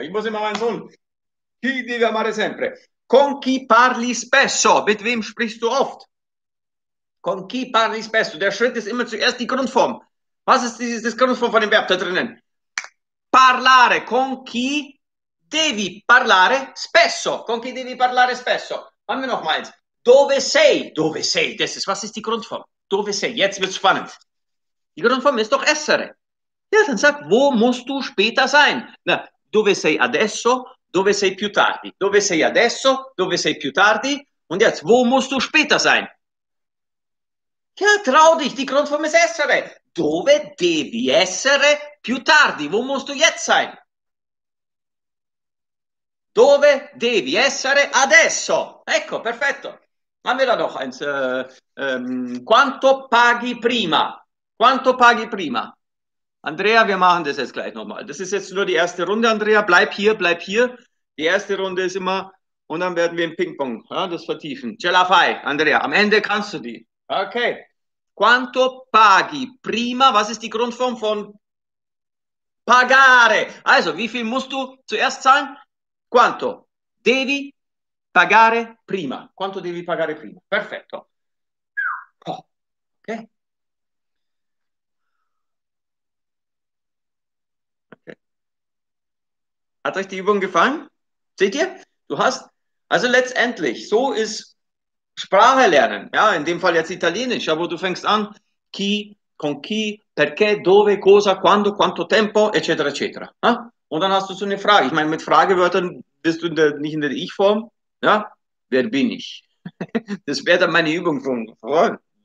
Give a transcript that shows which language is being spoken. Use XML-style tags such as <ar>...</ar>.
<de>Ich muss immer meinen Sohn.</de> <it>Chi devi amare sempre? Con chi parli spesso?</it> <de>Mit wem sprichst du oft?</de> <it>Con chi parli spesso?</it> <de>Der Schritt ist immer zuerst die Grundform. Was ist die Grundform von dem Verb da drinnen?</de> <it>Parlare. Con chi devi parlare spesso? Con chi devi parlare spesso?</it> <de>Fammi nochmal.</de> <it>Dove sei? Dove sei?</it> <de>Was ist die Grundform?</de> <it>Dove sei?</it> <de>Jetzt wird's spannend. Die Grundform ist doch essere. Ja, dann sag, wo musst du später sein?</de> <it>Na, dove sei adesso? Dove sei più tardi? Dove sei adesso? Dove sei più tardi?</it> <de>Und jetzt, wo musst du später sein? Ja, trau dich, die Grundform ist essere.</de> <it>Dove devi essere più tardi?</it> <de>Wo musst du jetzt sein?</de> <it>Dove devi essere adesso? Ecco, perfetto. Fammela</it> <de>noch eins.</de> <it>Quanto paghi prima? Quanto paghi prima?</it> <de>Andrea, wir machen das jetzt gleich nochmal. Das ist jetzt nur die erste Runde, Andrea. Bleib hier. Die erste Runde ist immer, und dann werden wir im Ping-Pong, ja, das vertiefen.</de> <it>Ce la fai, Andrea.</it> <de>Am Ende kannst du die.</de> <it>Okay. Quanto paghi prima?</it> <de>Was ist die Grundform von pagare? Also, wie viel musst du zuerst zahlen?</de> <it>Quanto devi pagare prima? Quanto devi pagare prima? Perfetto. Ok.</it> <de>Hat euch die Übung gefallen? Seht ihr? Du hast, also letztendlich, so ist Sprache lernen. Ja, in dem Fall jetzt Italienisch, aber du fängst an.</de> <it>Chi, con chi, perché, dove, cosa, quando, quanto tempo, eccetera, eccetera.</it> <de>Ja? Und dann hast du so eine Frage. Ich meine, mit Fragewörtern bist du nicht in der Ich-Form. Ja? Wer bin ich? Das wäre dann meine Übung von vorhin.</de>